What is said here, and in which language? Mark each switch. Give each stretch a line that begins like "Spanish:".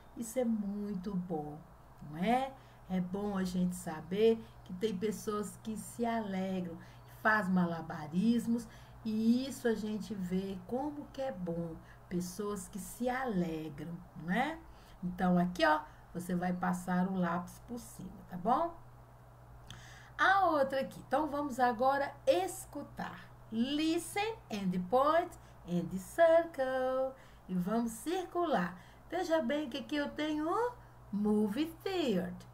Portuguese: Isso é muito bom, não é? É bom a gente saber que tem pessoas que se alegram, faz malabarismos, e isso a gente vê como que é bom, pessoas que se alegram, não é? Então aqui, ó, você vai passar o lápis por cima, tá bom? A outra aqui. Então vamos agora escutar.
English: Listen and point and circle.
Portuguese: E vamos circular. Veja bem que aqui eu tenho um movie theater.